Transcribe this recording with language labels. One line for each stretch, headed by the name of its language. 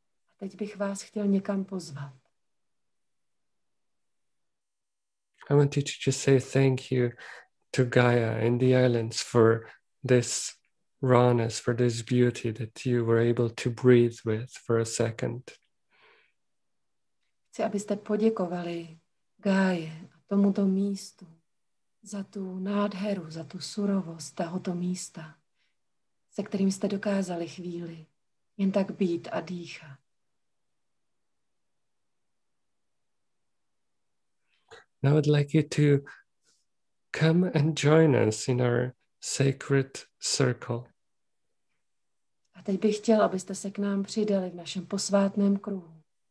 Czech: A teď bych vás chtěl někam pozvat.
English: I want you to just say thank you to Gaia and the islands for this rawness, for this beauty that you were able to breathe with for a second.
Czech: Chci, abyste poděkovali Gaie a tomuto místu. Za tu nádheru, za tu surovost tohoto místa, se kterým jste dokázali chvíli jen tak být a dýchat.
English: Now I'd like you to come and join us in our sacred circle.
Czech: A teď bych chtěl, abyste se k nám přidali v našem posvátném kruhu.